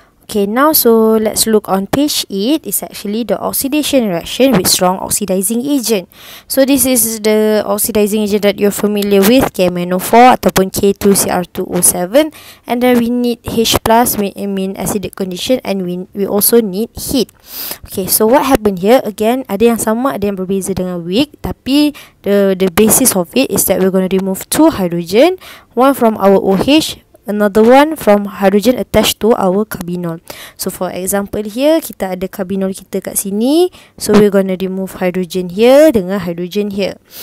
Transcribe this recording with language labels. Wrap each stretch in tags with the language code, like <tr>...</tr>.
<en>Okay, now so let's look on page 8. It's actually the oxidation reaction with strong oxidizing agent. So this is the oxidizing agent that you're familiar with, KMnO₄</en> <ms>ataupun</ms> <en>K2Cr₂O₇. And then we need H+ in acidic condition, and we also need heat. Okay, so what happened here?</en> <ms>Again, ada yang sama, ada yang berbeza dengan weak. Tapi</ms> <en>the basis of it is that we're going to remove 2 hydrogen, one from our OH, another one from hydrogen attached to our carbinol. So for example here,</en> <ms>kita ada carbinol kita kat sini.</ms> <en>So we're going to remove hydrogen here</en> <ms>dengan</ms> <en>hydrogen here.</en>